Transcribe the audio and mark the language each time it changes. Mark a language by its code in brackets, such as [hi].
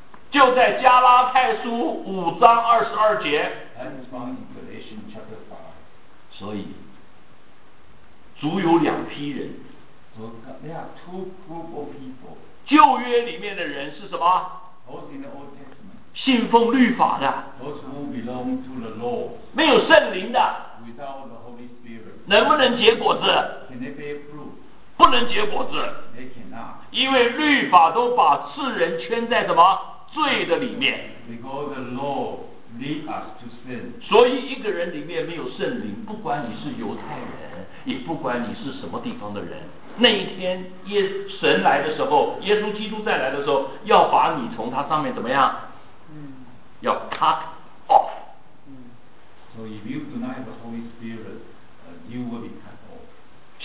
[zh] 就在加拉太书五章二十二节。 [en] And it's found in Galatians chapter 5. [zh] 所以，主有两批人。 [en] So there are two group of people. [zh] 旧约里面的人是什么？ [en] Those in the Old Testament. [zh] 信奉律法的。 [en] Those who belong to the law. [zh] 没有圣灵的。 [en] Without the Holy Spirit. [zh] 能不能结果子？ [en] Can they bear fruit? [zh] 不能结果子。 [en] They cannot. [zh] 因为律法都把世人圈在什么？罪的里面。 [en] Because the law leads us to sin. sin. [zh] 所以一个人里面没有圣灵，不管你是犹太人，也不管你是什么地方的人，那一天神来的时候，耶稣基督再来的时候，要把你从他上面怎么样？要 [en] cut off. So if you deny the Holy Spirit, you will be cut off.